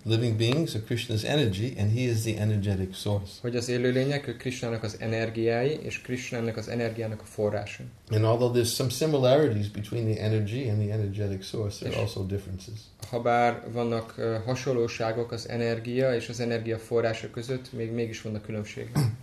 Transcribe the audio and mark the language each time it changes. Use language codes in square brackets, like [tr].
[en] Living beings are Krishna's energy, and he is the energetic source. [hu] Hogy az élőlények, ők Krishnának az energiái, és Krishnának az energiának a forrása. [en] And although there's some similarities between the energy and the energetic source, there are also differences. [hu] Habár vannak hasonlóságok az energia és az energia forrása között, mégis vannak különbségek.